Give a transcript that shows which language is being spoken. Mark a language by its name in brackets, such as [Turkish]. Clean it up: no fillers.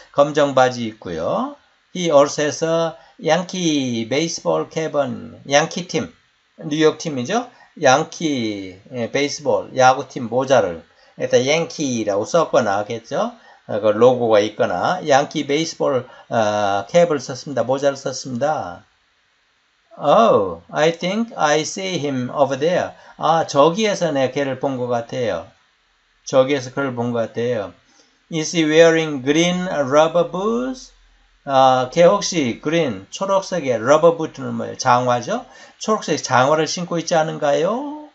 [Korean] 검정 바지 있고요. [English] He also has a Yankee baseball cap on. [Korean] 양키 팀, 뉴욕 팀이죠. 양키 베이스볼, 야구팀 모자를 일단 양키라고 썼거나 하겠죠. 그 로고가 있거나 양키 베이스볼 캡을 썼습니다. 모자를 썼습니다. [English] Oh, I think I see him over there. [Korean] 아, 저기에서 내가 걔를 본 것 같아요. 저기에서 그걸 본 것 같아요. [English] Is he wearing green rubber boots? [Korean] 걔 혹시 green, 초록색의 rubber boot는 뭐예요? 장화죠? 초록색 장화를 신고 있지 않은가요?